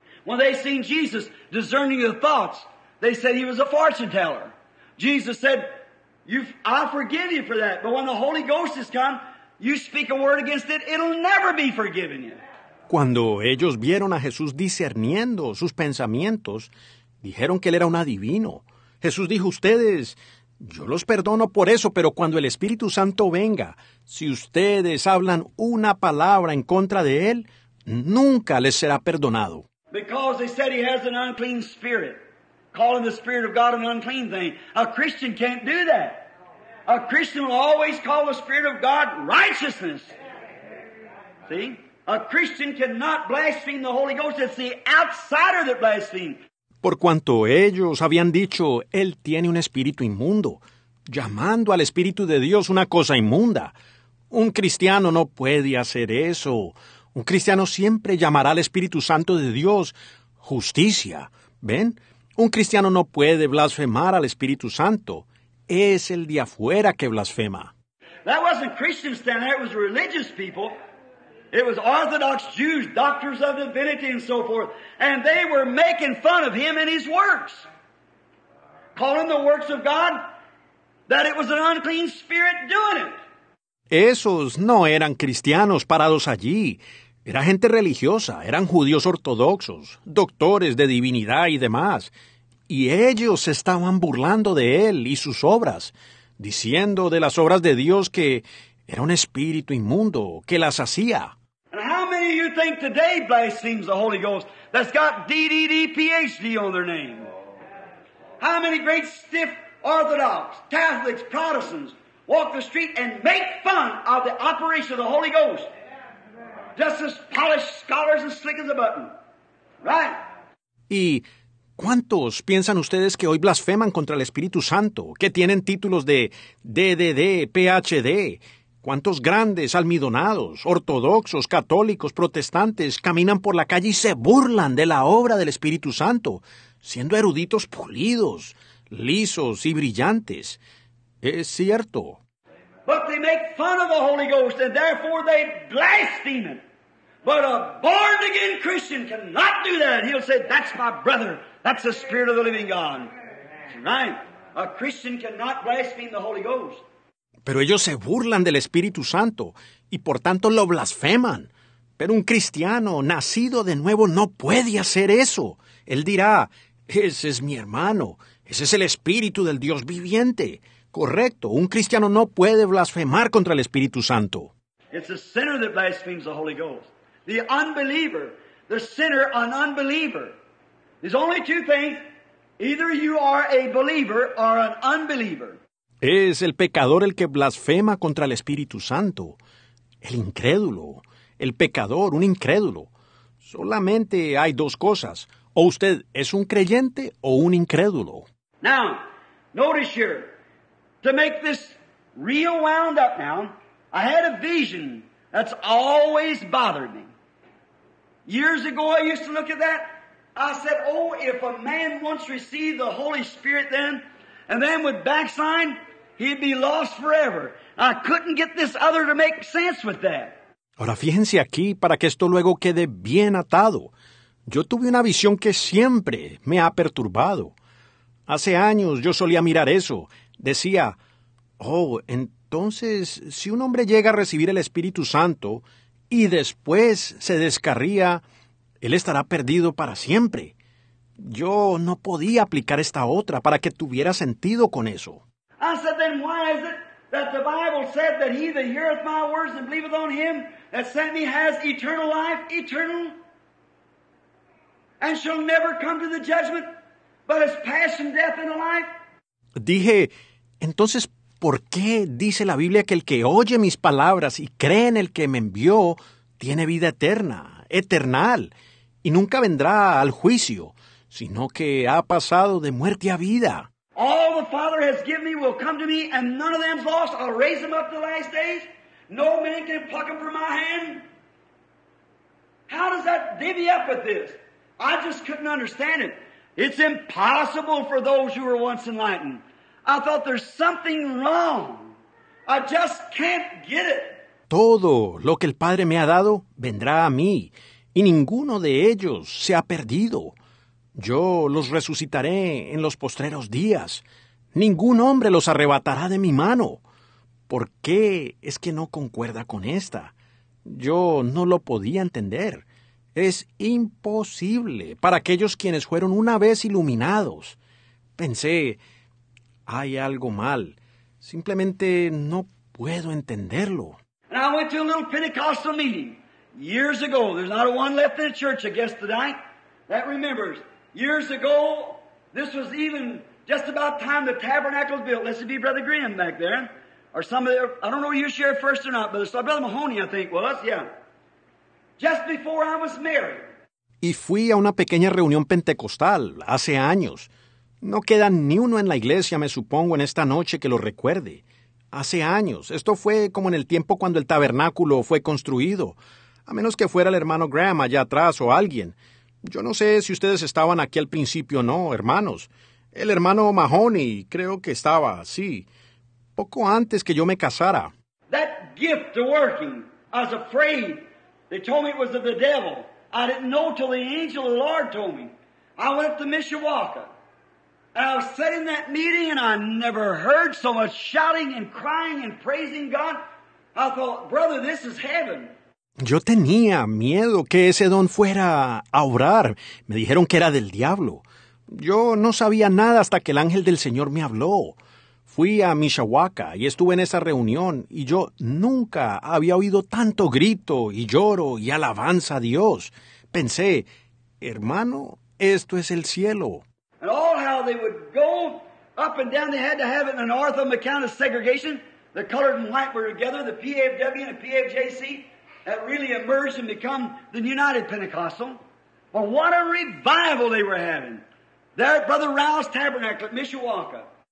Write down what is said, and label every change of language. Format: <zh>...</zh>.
<en>When they seen Jesus discerning your thoughts, they said he was a fortune teller. Jesus said, I forgive you for that. But when the Holy Ghost has come, you speak a word against it, it'll never be forgiven you.</en> <es>Cuando ellos vieron a Jesús discerniendo sus pensamientos, dijeron que él era un adivino. Jesús dijo, ustedes, yo los perdono por eso, pero cuando el Espíritu Santo venga, si ustedes hablan una palabra en contra de él, nunca les será perdonado.</es> <en>Because they said he has an unclean spirit, calling the Spirit of God an unclean thing. A Christian can't do that. A Christian will always call the Spirit of God righteousness. See? A Christian cannot blaspheme the Holy Ghost. It's the outsider that blasphemes.</en> <es>Por cuanto ellos habían dicho, él tiene un espíritu inmundo, llamando al Espíritu de Dios una cosa inmunda. Un cristiano no puede hacer eso. Un cristiano siempre llamará al Espíritu Santo de Dios justicia. ¿Ven? Un cristiano no puede blasfemar al Espíritu Santo. Es el de afuera que blasfema.</es> <en>That wasn't Christians standing there, it was religious people. It was Orthodox Jews, doctors of divinity and so forth. And they were making fun of him and his works. Calling the works of God that it was an unclean spirit doing it.</en> <es>Esos no eran cristianos parados allí. Era gente religiosa, eran judíos ortodoxos, doctores de divinidad y demás. Y ellos estaban burlando de él y sus obras, diciendo de las obras de Dios que era un espíritu inmundo, que las hacía.</es> <en>And how many of you think today blasphemes the Holy Ghost that's got DDD PhD on their name? How many great stiff Orthodox, Catholics, Protestants walk the street and make fun of the operation of the Holy Ghost? Just as polished scholars and slick as a button. Right?</en> <es>¿Y cuántos piensan ustedes que hoy blasfeman contra el Espíritu Santo, que tienen títulos de DDD, PhD? ¿Cuántos grandes, almidonados, ortodoxos, católicos, protestantes caminan por la calle y se burlan de la obra del Espíritu Santo, siendo eruditos pulidos, lisos y brillantes? Es cierto.</es> <en>But they make fun of the Holy Ghost and therefore they blaspheme it. But a born-again Christian cannot do that. He'll say, that's my brother. That's the Spirit of the living God. Right? A Christian cannot blaspheme the Holy Ghost.</en> <es>Pero ellos se burlan del Espíritu Santo y por tanto lo blasfeman. Pero un cristiano nacido de nuevo no puede hacer eso. Él dirá, ese es mi hermano. Ese es el Espíritu del Dios viviente. Correcto, un cristiano no puede blasfemar contra el Espíritu Santo.</es> <en>It's a sinner that blasphemes the Holy Ghost. The unbeliever, the sinner, an unbeliever. There's only two things. Either you are a believer or an unbeliever.</en> <es>Es el pecador el que blasfema contra el Espíritu Santo. El incrédulo, el pecador, un incrédulo. Solamente hay dos cosas. O usted es un creyente o un incrédulo.</es> <en>Now, notice here. To make this real wound up now, I had a vision that's always bothered me. Years ago, I used to look at that. I said, oh, if a man once received the Holy Spirit then, and then would backslide, he'd be lost forever. I couldn't get this other to make sense with that.</en> <es>Ahora fíjense aquí para que esto luego quede bien atado. Yo tuve una visión que siempre me ha perturbado. Hace años yo solía mirar eso. Decía, oh, entonces si un hombre llega a recibir el Espíritu Santo y después se descarría, él estará perdido para siempre. Yo no podía aplicar esta otra para que tuviera sentido con eso.</es> <en>I said, then why is it that the Bible said that he that heareth my words and believeth on him that sent me has eternal life, eternal, and shall never come to the judgment, but is passed from death into life?</en> <es>Dije, entonces, ¿por qué dice la Biblia que el que oye mis palabras y cree en el que me envió tiene vida eterna, eternal, y nunca vendrá al juicio, sino que ha pasado de muerte a vida?</es> <en>All the Father has given me will come to me, and none of them is lost. I'll raise them up the last days. No man can pluck them from my hand. How does that divvy up with this? I just couldn't understand it. It's impossible for those who were once enlightened. I thought there's something wrong. I just can't get it.</en> <es>Todo lo que el Padre me ha dado vendrá a mí, y ninguno de ellos se ha perdido. Yo los resucitaré en los postreros días. Ningún hombre los arrebatará de mi mano. ¿Por qué es que no concuerda con esta? Yo no lo podía entender. Es imposible para aquellos quienes fueron una vez iluminados. Pensé, hay algo mal. Simplemente no puedo entenderlo.</es> <en>And I went to a little Pentecostal meeting years ago. There's not one left in the church, I guess, tonight that remembers. Years ago, this was even just about time the tabernacle was built. This would be Brother Graham back there. Or some of the, I don't know if you shared first or not, but it's Brother Mahoney, I think, was, yeah. Just before I was married.</en> <es>Y fui a una pequeña reunión pentecostal hace años. No queda ni uno en la iglesia, me supongo, en esta noche que lo recuerde. Hace años. Esto fue como en el tiempo cuando el tabernáculo fue construido. A menos que fuera el hermano Graham allá atrás o alguien. Yo no sé si ustedes estaban aquí al principio o no, hermanos. El hermano Mahoney creo que estaba, sí, poco antes que yo me casara.</es> <en>That gift of working, I was afraid. They told me it was of the devil. I didn't know till the angel of the Lord told me. I went up to Mishawaka. And I was sitting in that meeting and I never heard so much shouting and crying and praising God. I thought, brother, this is heaven.</en> <es>Yo tenía miedo que ese don fuera a obrar. Me dijeron que era del diablo. Yo no sabía nada hasta que el ángel del Señor me habló. Fui a Mishawaka y estuve en esa reunión y yo nunca había oído tanto grito y lloro y alabanza a Dios. Pensé, hermano, esto es el cielo.</es> <en>And all how they would go up and down, they had to have it in an Ortho account of segregation. The colored and white were together, the PFW and the PFJC. That really emerged and become the United Pentecostal. Well, what a revival they were having. There at Brother Rao's Tabernacle at Mishawaka.</en>